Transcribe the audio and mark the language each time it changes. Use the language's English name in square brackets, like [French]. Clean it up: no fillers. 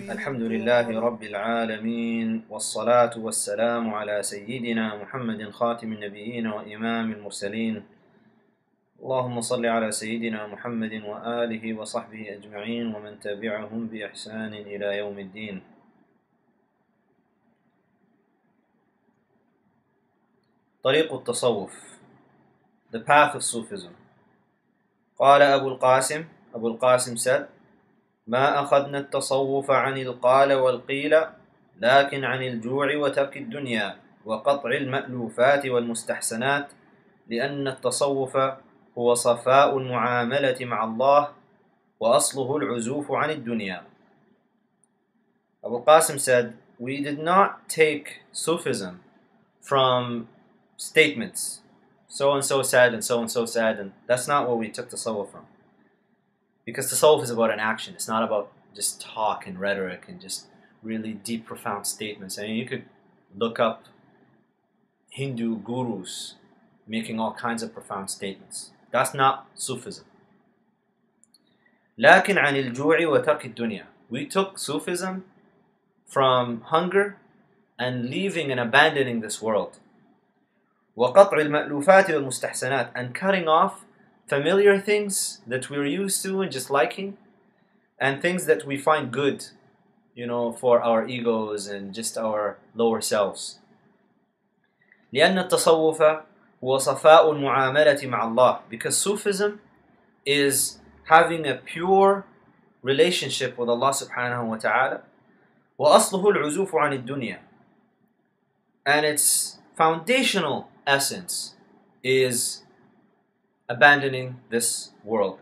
[Arabic] الحمد لله رب العالمين، والصلاة والسلام على سيدنا محمد خاتم النبيين وإمام المرسلين. اللهم صل على سيدنا محمد وآله وصحبه أجمعين ومن تبعهم بإحسان إلى يوم الدين. طريق التصوف، [English] The path of Sufism. [Arabic] قال أبو القاسم سأل: ما أخذنا التصوف عن القال والقيل، لكن عن الجوع وترك الدنيا وقطع المألوفات والمستحسنات، لأن التصوف هو صفاء المعاملة مع الله وأصله العزوف عن الدنيا. [English] أبو القاسم said, we did not take Sufism from statements, so and so said and so and so said, and that's not what we took tasawwuf from. Because tasawwuf is about an action. It's not about just talk and rhetoric and just really deep, profound statements. I mean, you could look up Hindu gurus making all kinds of profound statements. That's not Sufism. [Arabic] لكن عن الجوع وترك الدنيا. [English] We took Sufism from hunger and leaving and abandoning this world. [Arabic] وقطع المألوفات والمستحسنات, [English] and cutting off familiar things that we're used to and just liking, and things that we find good, you know, for our egos and just our lower selves. [Arabic] لأن التصوف هو صفاء المعاملة مع الله. [English] Because Sufism is having a pure relationship with Allah subhanahu wa ta'ala. [Arabic] وأصله العزوف عن الدنيا. [English] And its foundational essence is abandoning this world.